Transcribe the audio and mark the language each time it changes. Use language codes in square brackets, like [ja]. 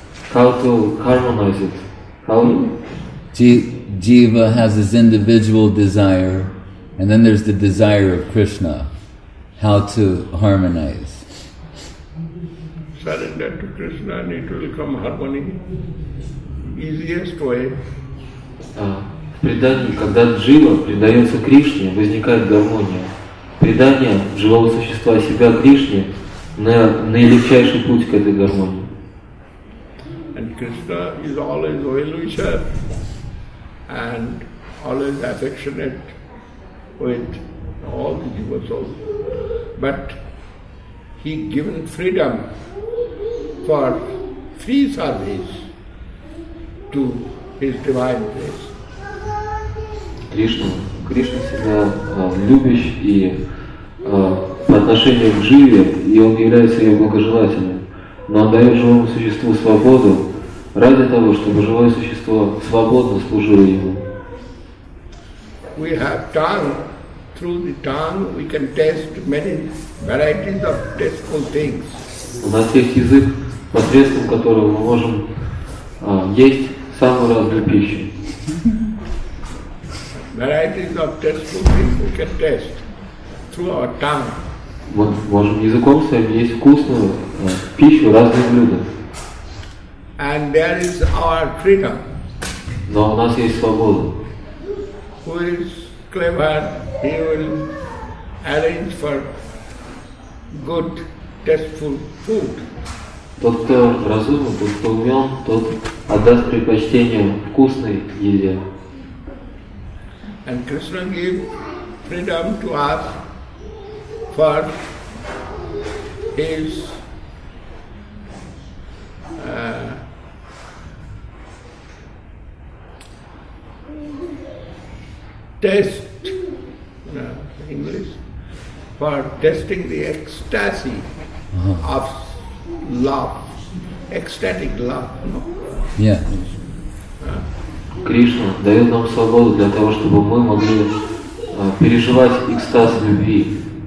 [en] How to harmonize it? How? Jiva has his individual desire, and then there's the desire of Krishna. How to harmonize? Surrender to Krishna and it will come harmony. Easiest way. [ru] Предание, когда джива предается Кришне, возникает гармония. Предание живого существа себя Кришне наилегчайший путь к этой гармонии. [en] And Krishna is always well-wisher and always affectionate with all the jiva souls. But he given freedom for free service to his divine grace. [ru] Кришна всегда любящий и по отношению к Живе, и он является ее благожелателем, но он дает живому существу свободу ради того, чтобы живое существо свободно служило ему. [en] We have tongue. Through the tongue we can taste many varieties of tasteful things. [ru] У нас есть язык, посредством которого мы можем есть самую разную пищу. [en] Varieties of tasteful things we can taste through our tongue. [ru] Мы можем языком своим есть вкусную пищу, разные блюда. [en] And there is our freedom. [ru] Но у нас есть свобода. [en] Who is clever, he will arrange for good tasteful food. [ru] Тот, кто разумен, тот, кто умен, тот отдаст предпочтение вкусной еде. [en] And Krishna gave freedom to us for his test, English, for testing the ecstasy of love, ecstatic love, no? Yeah. [ru] Кришна дает нам свободу для того, чтобы мы могли переживать экстаз любви.